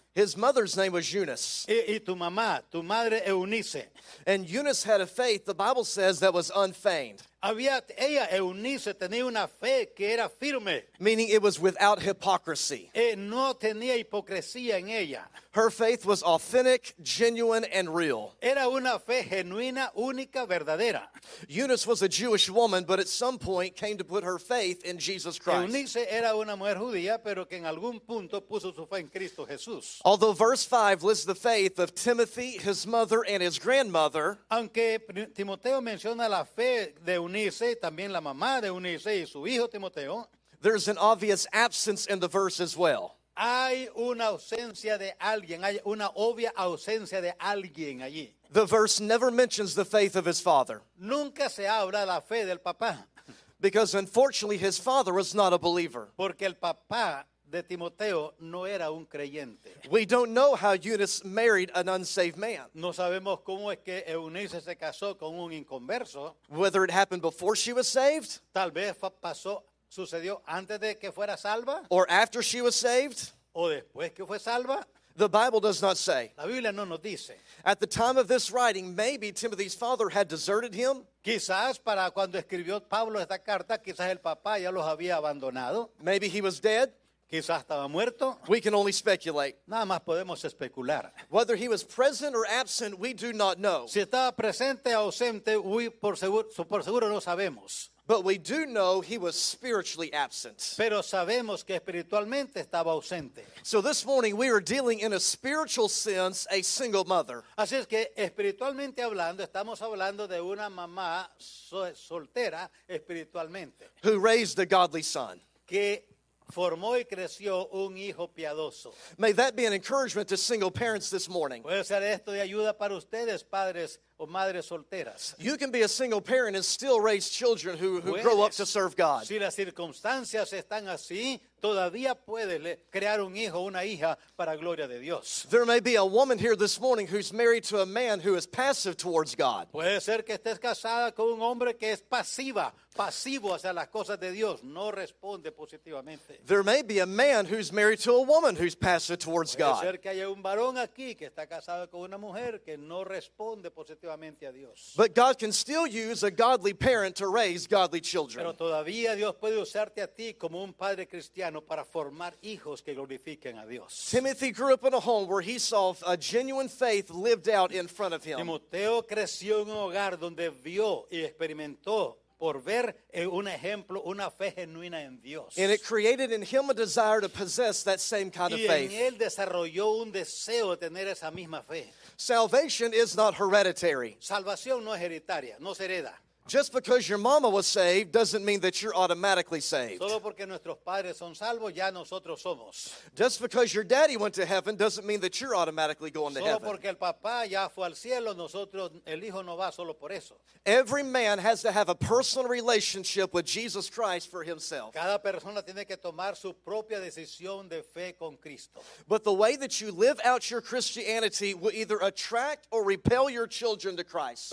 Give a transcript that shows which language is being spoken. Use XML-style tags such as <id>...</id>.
<en>His mother's name was Eunice.</en> <es>Y tu madre Eunice.</es> <en>And Eunice had a faith, the Bible says, that was unfeigned.</en> <es>Ella, Eunice, tenía una fe que era firme.</es> <en>Meaning it was without hypocrisy.</en> <es>No tenía hipocresía en ella.</es> <en>Her faith was authentic, genuine, and real.</en> <es>Era una fe genuina, única, verdadera.</es> <en>Eunice was a Jewish woman, but at some point came to put her faith in Jesus Christ.</en> <es>Eunice era una mujer judía, pero que en algún punto puso su fe en Cristo Jesús.</es> <en>Although verse 5 lists the faith of Timothy, his mother, and his grandmother.</en> <es>Aunque Timoteo menciona la fe de Eunice, también la mamá de Eunice y su hijo Timoteo.</es> <en>There's an obvious absence in the verse as well.</en> <es>Hay una ausencia de alguien, hay una obvia ausencia de alguien allí.</es> <en>The verse never mentions the faith of his father.</en> <es>Nunca se habla la fe del papá.</es> <en>Because unfortunately his father was not a believer.</en> <es>Porque el papá de Timoteo no era un creyente.</es> <en>We don't know how Eunice married an unsaved man.</en> <es>No sabemos cómo es que Eunice se casó con un inconverso.</es> <en>Whether it happened before she was saved.</en> <es>Tal vez pasó. ¿Sucedió antes de que fuera salva?</es> <en>Or after she was saved?</en> <es>¿O después que fue salva?</es> <en>The Bible does not say.</en> <es>La Biblia no nos dice.</es> <en>At the time of this writing, maybe Timothy's father had deserted him.</en> <es>Quizás para cuando escribió Pablo esta carta, quizás el papá ya los había abandonado.</es> <en>Maybe he was dead.</en> <es>Quizás estaba muerto.</es> <en>We can only speculate.</en> <es>Nada más podemos especular.</es> <en>Whether he was present or absent, we do not know.</en> <es>Si estaba presente o ausente, por seguro no sabemos.</es> <en>But we do know he was spiritually absent.</en> <es>Pero sabemos que espiritualmente estaba ausente.</es> <en>So this morning we are dealing in a spiritual sense a single mother.</en> <es>Así es que espiritualmente hablando estamos hablando de una mamá soltera espiritualmente.</es> <en>Who raised a godly son.</en> <es>Que formó y creció un hijo piadoso.</es> <en>May that be an encouragement to single parents this morning.</en> <es>Puede ser esto de ayuda para ustedes, padres o madres solteras.</es> <en>You can be a single parent and still raise children who grow up to serve God.</en> <es>Si las circunstancias están así, todavía puedes crear un hijo o una hija para gloria de Dios.</es> <en>There may be a woman here this morning who's married to a man who is passive towards God.</en> <es>Puede ser que estés casada con un hombre que es pasivo hacia las cosas de Dios, no responde positivamente.</es> <en>There may be a man who's married to a woman who's passive towards God.</en> <es>Puede ser que haya un varón aquí que está casado con una mujer que no responde positivamente a Dios.</es> <en>But God can still use a godly parent to raise godly children.</en> <es>Pero todavía Dios puede usarte a ti como un padre cristiano para formar hijos que glorifiquen a Dios.</es> <en>Timothy grew up in a home where he saw a genuine faith lived out in front of him.</en> <es>Timoteo creció en un hogar donde vio y experimentó por ver un ejemplo, una fe genuina en Dios.</es> <en>And it created in him a desire to possess that same kind of faith.</en> <es>Y en él desarrolló un deseo de tener esa misma fe.</es> <en>Salvation is not hereditary.</en> <es>Salvación no es hereditaria, no se hereda.</es> <en>Just because your mama was saved doesn't mean that you're automatically saved.</en> <es>Solo porque nuestros padres son salvos, ya nosotros somos.</es> <en>Just because your daddy went to heaven doesn't mean that you're automatically going to heaven.</en> <es>Solo porque el papá ya fue al cielo, nosotros, el hijo no va solo por eso.</es> <en>Every man has to have a personal relationship with Jesus Christ for himself.</en> <es>Cada persona tiene que tomar su propia decisión de fe con Cristo.</es> <en>But the way that you live out your Christianity will either attract or repel your children to Christ.</en>